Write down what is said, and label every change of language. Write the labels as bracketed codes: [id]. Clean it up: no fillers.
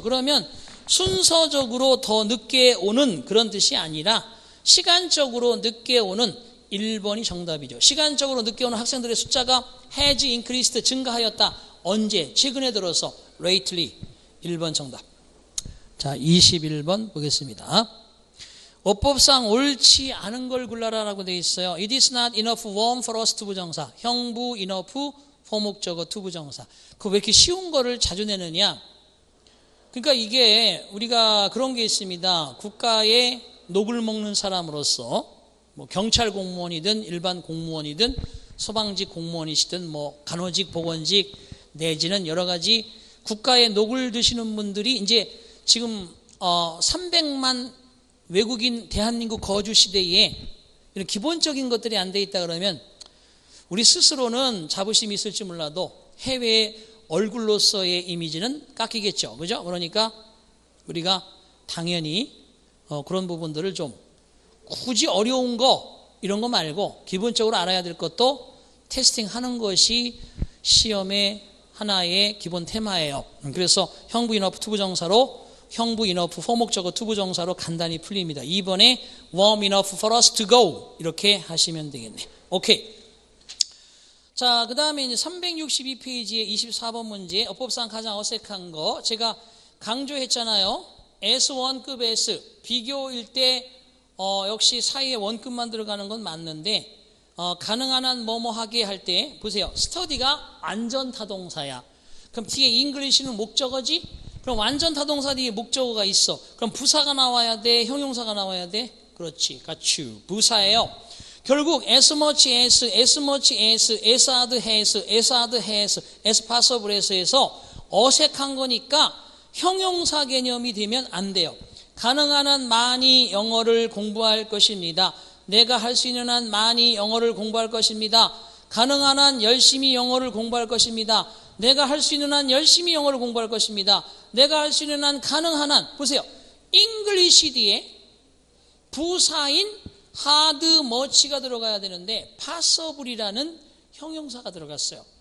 [ko] 그러면 순서적으로 더 늦게 오는 그런 뜻이 아니라 시간적으로 늦게 오는 1번이 정답이죠. 시간적으로 늦게 오는 학생들의 숫자가 [en] has increased, [ko] 증가하였다. 언제? 최근에 들어서 lately. 1번 정답. 자, 21번 보겠습니다. 어법상 옳지 않은 걸 골라라라고 되어 있어요. [en] It is not enough warm for us to 부정사. [ko] 형부 enough for 목적어 to 부정사. 그 왜 이렇게 쉬운 거를 자주 내느냐? 그러니까 이게 우리가 그런 게 있습니다. 국가에 녹을 먹는 사람으로서 뭐 경찰 공무원이든 일반 공무원이든 소방직 공무원이시든 뭐 간호직 보건직 내지는 여러 가지 국가에 녹을 드시는 분들이 이제 지금 300만 외국인 대한민국 거주 시대에 이런 기본적인 것들이 안 돼 있다 그러면 우리 스스로는 자부심이 있을지 몰라도 해외 얼굴로서의 이미지는 깎이겠죠. 그죠? 그러니까 우리가 당연히 그런 부분들을 좀 굳이 어려운 거 이런 거 말고 기본적으로 알아야 될 것도 테스팅 하는 것이 시험의 하나의 기본 테마예요. 그래서 형부 인어프 투부 정사로 형부 인어프 포목적어 투부 정사로 간단히 풀립니다. 이번에 [en] warm enough for us to go [ko] 이렇게 하시면 되겠네. 오케이. 자, 그 다음에 이제 362페이지에 24번 문제, 어법상 가장 어색한 거. 제가 강조했잖아요. S1급 S. 비교일 때, 역시 사이에 원급만 들어가는 건 맞는데, 가능한 한 뭐뭐 하게 할 때, 보세요. study가 완전 타동사야. 그럼 뒤에 English는 목적어지? 그럼 완전 타동사 뒤에 목적어가 있어. 그럼 부사가 나와야 돼? 형용사가 나와야 돼? 그렇지. [en] got you. [ko] 부사예요. 결국 [en] as much as, as much as hard has, as hard has, as possible as [ko] 에서 어색한 거니까 형용사 개념이 되면 안 돼요. 가능한 한 많이 영어를 공부할 것입니다. 내가 할 수 있는 한 많이 영어를 공부할 것입니다. 가능한 한 열심히 영어를 공부할 것입니다. 내가 할 수 있는 한 열심히 영어를 공부할 것입니다. 내가 할 수 있는 한 가능한 한, 보세요. English 뒤에 부사인 hard, much가 들어가야 되는데 possible이라는 형용사가 들어갔어요.